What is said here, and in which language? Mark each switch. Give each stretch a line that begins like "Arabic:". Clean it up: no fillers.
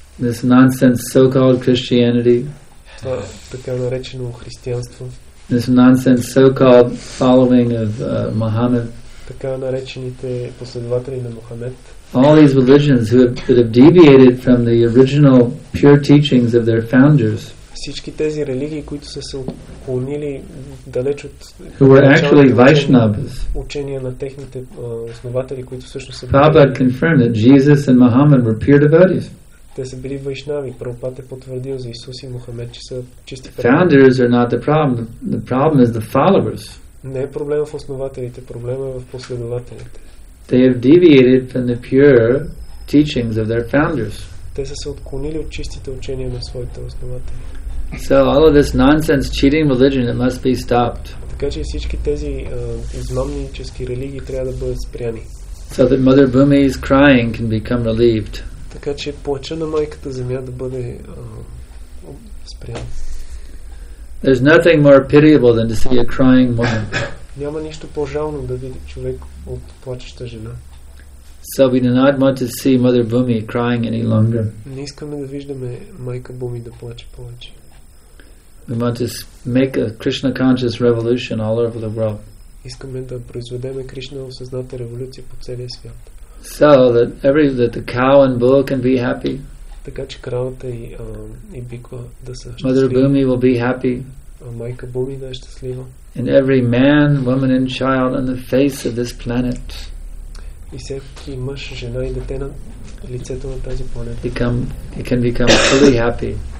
English: This nonsense so-called Christianity.
Bulgarian: Това така наречено християнство.
English: This nonsense so-called following of Muhammad.
Bulgarian: Така наречените последователи на Мохамед.
English: All these religions who have, that have deviated from the original pure teachings of their founders.
Bulgarian: Всички тези религии, които са се отклонили далеч от
English: who were actually Vaishnavas.
Bulgarian: Учения на техните основатели, които всъщност са
English: Prabhupada confirmed that Jesus and Muhammad were pure devotees.
Bulgarian: Те са били вайшнави. Прабхупад е потвърдил за Исус и Мохамед, че са чисти преданици.
English: Founders are not the problem. The problem is the followers.
Bulgarian: Не е проблем в основателите, проблем е в последователите.
English: They have deviated from the pure teachings of their founders.
Bulgarian: Те са се отклонили от чистите учения на своите основатели.
English: So all of this nonsense cheating religion, it must be stopped.
Bulgarian: Така че всички тези измамнически религии трябва да бъдат спряни.
English: So that Mother Bhumi's crying can become relieved.
Bulgarian: Така че плача на майката земя да бъде спрян.
English: There's nothing more pitiable than to see a crying woman.
Bulgarian: Няма нищо по-жално да види човек от плачеща жена.
English: So we do not want to see Mother Bhumi crying any longer.
Bulgarian: Не искаме да виждаме майка Буми да плаче повече.
English: We want to make a Krishna conscious revolution all over the world.
Bulgarian: Искаме да произведеме Кришна осъзната революция по целия свят.
English: So that the cow and bull can be happy.
Bulgarian: Така че кравата и биква да са щастливи.
English: Mother Bhumi will be happy.
Bulgarian: Майка Буми да е щастлива.
English: And every man, woman and child on the face of this planet.
Bulgarian: И всеки мъж, жена и дете на лицето на тази планета.
English: Become, can become fully happy.